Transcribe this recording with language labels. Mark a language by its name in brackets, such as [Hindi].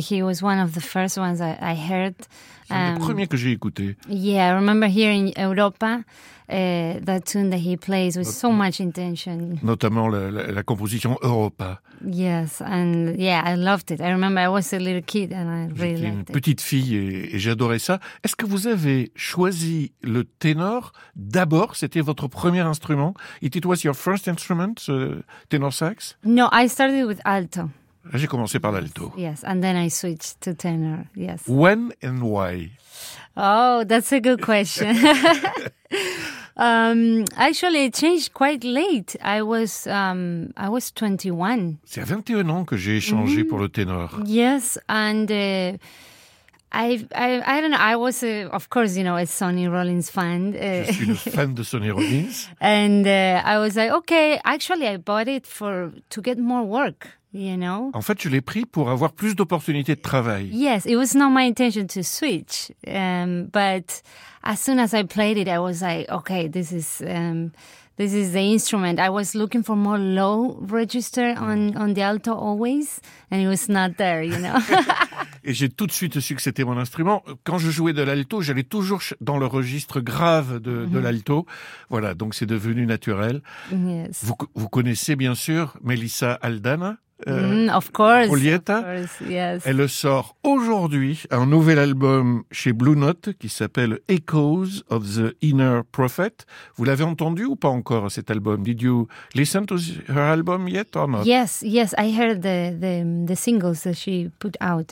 [English] He was one of the first ones I heard. [French] Le premier que j'ai écouté. [English] Yeah, I remember hearing Europa, that tune that he plays with so much intention. [French] Notamment la composition Europa. [English] Yes, and yeah, I loved it. I remember I was a little kid and I really loved it. [French] J'étais une petite fille et j'adorais ça. Est-ce que vous avez choisi le ténor d'abord? C'était votre premier instrument? [English] It was your first instrument, tenor sax? No, I started with alto. [French] J'ai commencé par l'alto. [English] Yes, and then I switched to tenor, yes. When and why? Oh, that's a good question. actually, it changed quite late. I was 21. [French] C'est à 21 ans que j'ai changé pour le ténor. [English] Yes, and I don't know. I was, of course, you know, a Sonny Rollins fan. [French] Je suis une fan de Sonny Rollins. [English] And I was like, okay, actually, I bought it to get more work. You know? [French] En fait, je l'ai pris pour avoir plus d'opportunités de travail. [English] Yes, it was not my intention to switch, but as soon as I played it, I was like, okay, this is the instrument. I was looking for more low register on the alto always, and it was not there, you know. [French] Et j'ai tout de suite su que c'était mon instrument. Quand je jouais de l'alto, j'allais toujours dans le registre grave de l'alto. Voilà, donc c'est devenu naturel. [English] Yes. [French] Vous connaissez bien sûr Melissa Aldana. [English] Of course, Julieta, of course, yes. [French] Elle sort aujourd'hui un nouvel album chez Blue Note qui s'appelle Echoes of the Inner Prophet. Vous l'avez entendu ou pas encore cet album? [English] Did you listen to her album yet or not? Yes, I heard the singles that she put out.